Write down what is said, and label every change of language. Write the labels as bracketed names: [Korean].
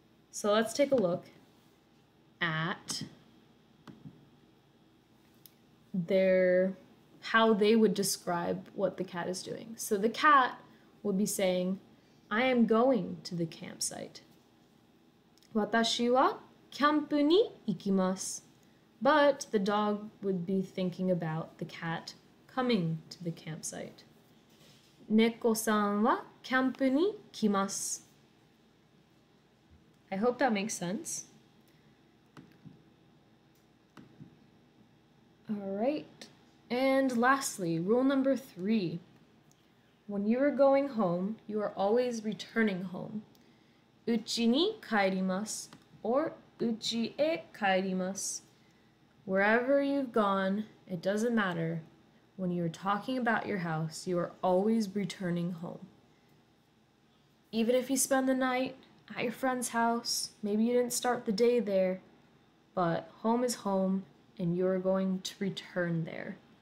[English] So let's take a look at their how they would describe what the cat is doing. So the cat would be saying, I am going to the campsite. [Japanese] 私はキャンプに行きます。 [English] But the dog would be thinking about the cat coming to the campsite. [Japanese] 猫さんはキャンプに来ます。 [English] I hope that makes sense. All right. And lastly, rule number 3. When you are going home, you are always returning home. [Japanese] うちに帰ります or うちへ帰ります。 [English] Wherever you've gone, it doesn't matter. When you're talking about your house, you are always returning home. Even if you spend the night at your friend's house, maybe you didn't start the day there, but home is home and you're going to return there.